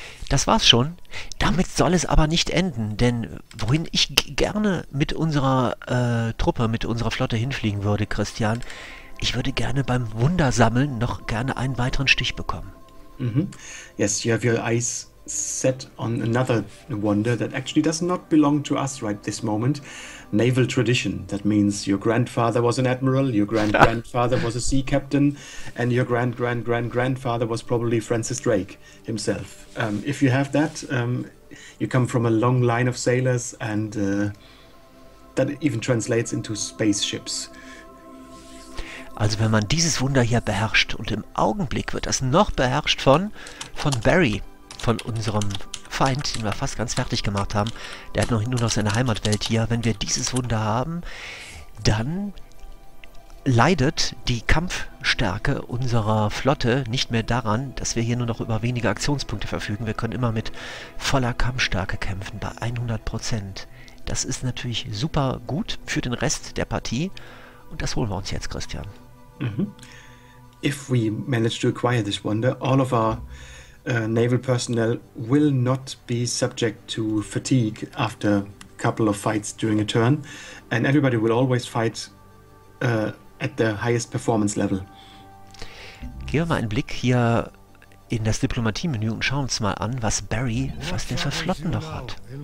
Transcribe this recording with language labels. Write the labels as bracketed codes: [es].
[de] Das war's schon. Damit soll es aber nicht enden, denn wohin ich gerne mit unserer Truppe, mit unserer Flotte hinfliegen würde, Christian, ich würde gerne beim Wundersammeln noch gerne einen weiteren Stich bekommen. Mm-hmm. [en] Yes, you have your eyes set on another wonder that actually does not belong to us right this moment. Naval tradition. That means your grandfather was an admiral, your grandfather was a sea captain, and your grandfather was probably Francis Drake himself. If you have that, you come from a long line of sailors, and that even translates into spaceships. [de] Also wenn man dieses Wunder hier beherrscht, und im Augenblick wird das noch beherrscht von Barry, von unserem Feind, den wir fast ganz fertig gemacht haben. Der hat nur noch seine Heimatwelt hier. Wenn wir dieses Wunder haben, dann leidet die Kampfstärke unserer Flotte nicht mehr daran, dass wir hier nur noch über wenige Aktionspunkte verfügen. Wir können immer mit voller Kampfstärke kämpfen, bei 100%. Das ist natürlich super gut für den Rest der Partie. Und das holen wir uns jetzt, Christian. Mm-hmm. [en] If we manage to acquire this wonder, all of our naval personnel will not be subject to fatigue after a couple of fights during a turn, and everybody will always fight at their highest performance level. [de] Gehen wir mal einen Blick hier in das Diplomatie-Menü und schauen uns mal an, was Barry, was der für Flotten noch hat.